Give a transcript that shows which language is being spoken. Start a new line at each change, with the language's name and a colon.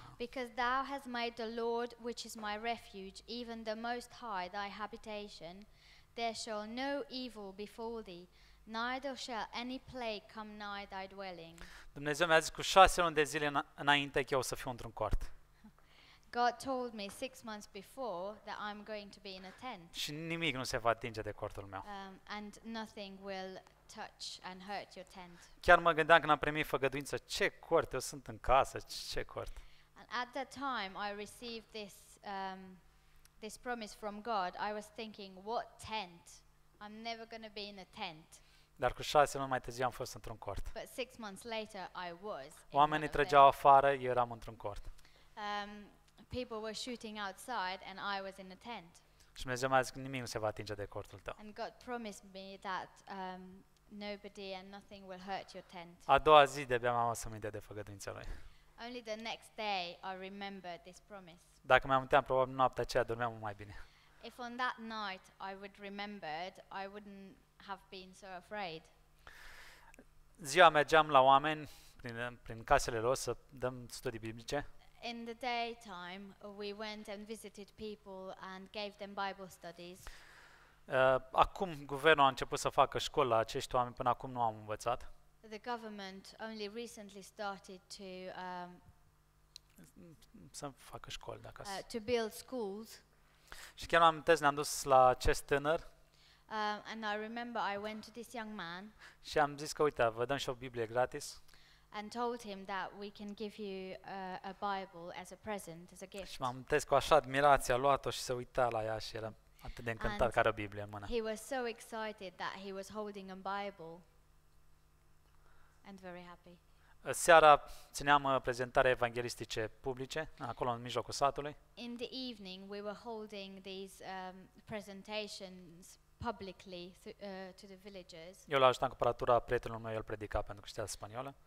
English: Because thou hast made the Lord, which is my refuge, even the Most High, thy habitation, there shall no evil befall thee, neither shall any plague come nigh thy dwelling.
Romanian: Dumnezeu mi-a zis cu 6 luni de zile înainte că eu o să fiu într-un cort.
English: God told me 6 months before that I'm going to be in a tent.
Romanian: Și nimic nu se va atinge de cortul meu.
English: And nothing will touch and hurt your tent.
Romanian: Chiar mă gândeam când am primit făgăduința, ce cort, eu sunt în casă, ce cort.
English: And at that time I received this this promise from God. I was thinking, what tent? I'm never going to be in a tent.
Romanian: Dar cu 6 luni mai târziu am fost într-un cort.
English: But 6 months later I was.
Romanian: Oamenii trăgeau afară, eu eram într-un cort.
English: People were shooting outside and I was in a tent.
Romanian: Și Dumnezeu mi-a zis că nimic nu se va atinge de cortul tău.
English: And God promised me that nobody and nothing will hurt your tent.
Romanian: A doua zi de-abia m-am adus aminte de făgăduința lui.
English: Only the next day I remembered this promise.
Romanian: Dacă mi-am aminteam, probabil noaptea aceea dormeam mai bine.
English: If on that night I would remembered, I wouldn't have been so afraid.
Romanian: Ziua mergeam la oameni prin casele lor să dăm studii biblice.
English: In the daytime, we went and visited people and gave them Bible studies.
Romanian: Acum guvernul a început să facă școală acești oameni, până acum nu am învățat.
English: The government only recently started to
Romanian: să facă școală, dacă
English: to build schools.
Romanian: Și chiar m-am amintesc, ne-am dus la acest tânăr.
English: And I remember I went to this young man.
Romanian: Și am zis că, uite, vă dăm și o Biblie gratis.
English: And told him that we can give you a Bible as a present, as a gift.
Romanian: Și m-am amintesc cu așa admirație, a luat-o și s-a uitat la ea și era atât de încântat că are o Biblie în mână.
English: He was so excited that he was holding a Bible and very happy.
Romanian: Seara țineam prezentare evanghelistice publice acolo în mijlocul satului.
English: In the evening we were holding these presentations publicly to the villagers.
Romanian: Eu l-am ajutat cu aparatura, prietenul meu, el predica pentru că știa spaniolă.